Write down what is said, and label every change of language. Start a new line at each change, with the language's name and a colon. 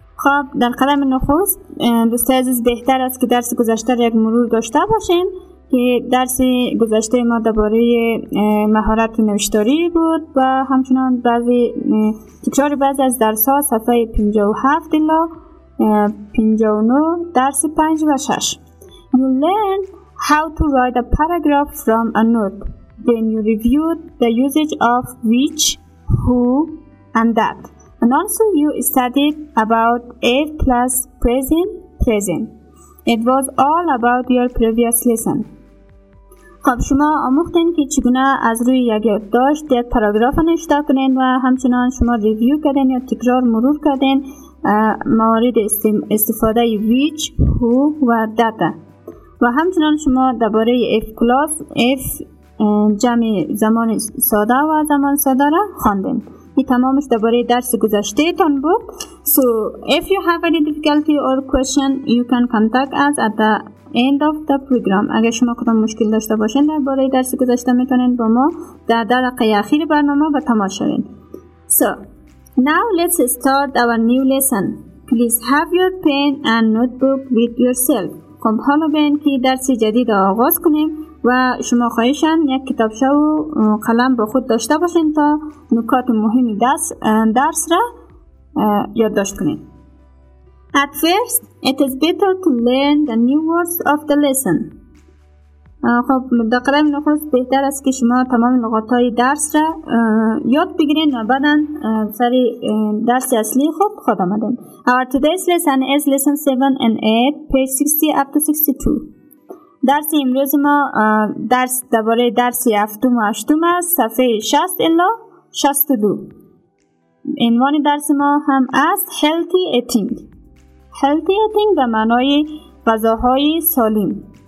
Persian: خب در قدم نخست دوست عزیز بهتر است که درس گذشته را یک مرور داشته باشیم که درس گذشته ما درباره مهارت نوشتاری بود و همچنان بعضی تکرار بعضی از درس ها صفحه 57 الی 59 درس 5 و 6.
English: You learn how to write a paragraph from a note. Then you review the usage of which, who and that. And also you studied about it plus present. It was all about your previous lesson.
Persian: خب شما آموختین که چگونه از روی یک یادداشت یک پاراگراف نوشته کنین و همچنان شما ریویو کردین یا تکرار مرور کردین موارد استفاده which, who و data. و همچنان شما درباره if clause, if جمع زمان ساده و زمان ساده را خواندین. که تمامش درباره درس گذشته تان بود.
English: So if you have any difficulty or question, you can contact us at the end of the program.
Persian: اگر شما کدام مشکل داشته باشین درباره درس گذشته میتونین با ما در دقیقه اخیر برنامه و تماشا کنین.
English: So now let's start our new lesson. Please have your pen and notebook with yourself.
Persian: خب حالا بین که درس جدید آغاز کنیم و شما خواهشن یک کتابچه و قلم با خود داشته باشین تا نکات مهمی درس را یادداشت کنین.
English: At first, it is better to learn the new words of the lesson.
Persian: خب در قدم نخست بهتر است که شما تمام لغات‌های درس را یاد بگیرین و بعدا سر درس اصلی خود خود آمدین.
English: Our today's lesson is lesson 7 and 8, page 60 up to 62.
Persian: درس امروز ما درس درباره درس هفتم و هشتم است، صفحه 60 الی 62. عنوان درس ما هم است
English: healthy eating. Healthy eating
Persian: به معنای غذاهای سالم.